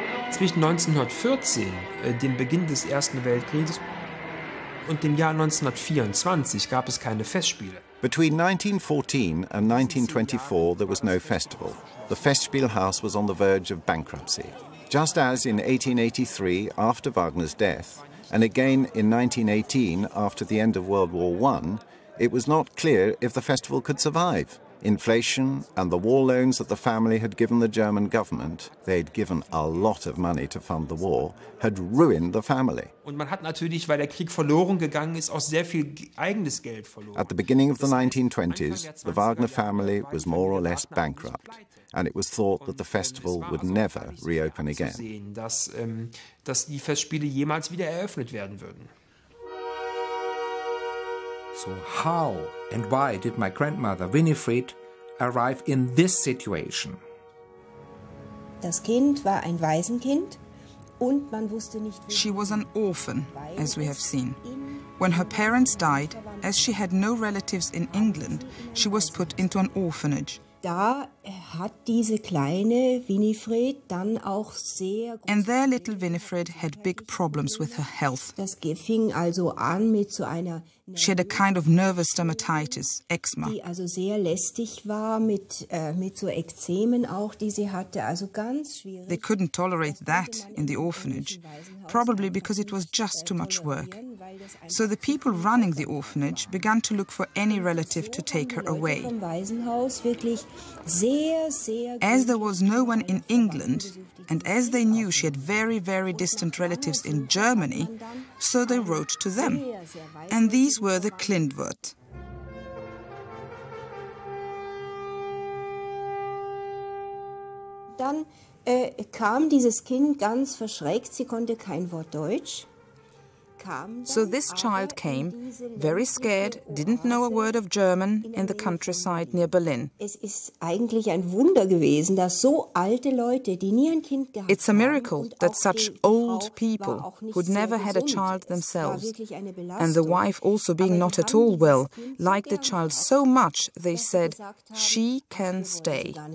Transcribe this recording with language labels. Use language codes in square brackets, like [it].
[de] Zwischen 1914, dem Beginn des Ersten Weltkrieges, und dem Jahr 1924 gab es keine Festspiele. [en] Between 1914 and 1924 there was no festival. The Festspielhaus was on the verge of bankruptcy. Just as in 1883 after Wagner's death, and again in 1918 after the end of World War I, it was not clear if the festival could survive. Inflation and the war loans that the family had given the German government, they'd given a lot of money to fund the war, had ruined the family. [de] Und man hat natürlich, weil der Krieg verloren gegangen ist, auch sehr viel eigenes Geld verloren. [en] At the beginning of the 1920s, the Wagner family was more or less bankrupt, and it was thought that the festival would never reopen again. [de] Dass die Festspiele jemals wieder eröffnet werden würden. [en] So how and why did my grandmother Winifred arrive in this situation? [de] Das Kind war ein Waisenkind und man wusste nicht. [en] She was an orphan, as we have seen. When her parents died, as she had no relatives in England, she was put into an orphanage. [de] Da hat diese kleine Winifred dann auch sehr. [en] And there little Winifred had big problems with her health. [de] Das fing also an mit so einer. [en] She had a kind of nervous dermatitis, eczema. [de] Die also sehr lästig war mit so Ekzemen auch, die sie hatte, also ganz schwierig. [en] They couldn't tolerate that in the orphanage, probably because it was just too much work. So the people running the orphanage began to look for any relative to take her away. As there was no one in England, and as they knew she had very, very distant relatives in Germany, so they wrote to them. And these were the Klindworth. [de] Dann kam dieses Kind ganz verschreckt, sie konnte kein Wort Deutsch. [en] So this child came, very scared, didn't know a word of German, in the countryside near Berlin. It's a miracle that such old people, who'd never had a child themselves, and the wife also being not at all well, liked the child so much, they said, she can stay.